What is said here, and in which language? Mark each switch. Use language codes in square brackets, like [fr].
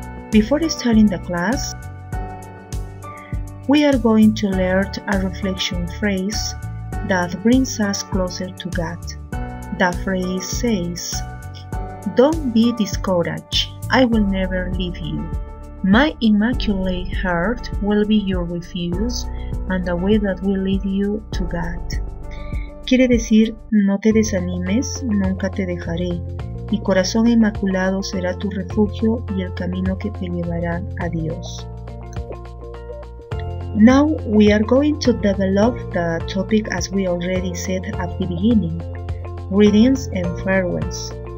[en] Before starting the class, we are going to learn a reflection phrase that brings us closer to God. The phrase says, "Don't be discouraged, I will never leave you. My immaculate heart will be your refuge and the way that will lead you to God." [es] Quiere decir, no te desanimes, nunca te dejaré. Mi corazón inmaculado será tu refugio y el camino que te llevará a Dios. [en] Now we are going to develop the topic as we already said at the beginning, greetings and farewells.